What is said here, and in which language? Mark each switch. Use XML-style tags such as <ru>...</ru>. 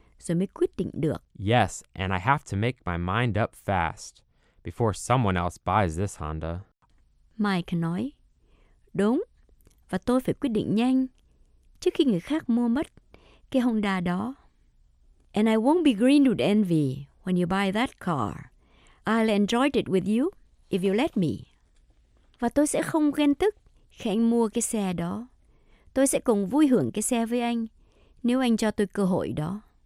<vi>rồi mới quyết định được.</vi> <en>Yes, and I have to make my mind up fast before someone else buys this Honda.</en> <vi>Mike nói, đúng, và tôi phải quyết định nhanh trước khi người khác mua mất cái Honda đó.</vi> <en>And I won't be green with envy when you buy that car. I'll enjoy it with you if you let me.</en> <vi>Và tôi sẽ không ghen tức khi anh mua cái xe đó. Tôi sẽ cùng vui hưởng cái xe với anh nếu anh cho tôi cơ hội đó.</vi>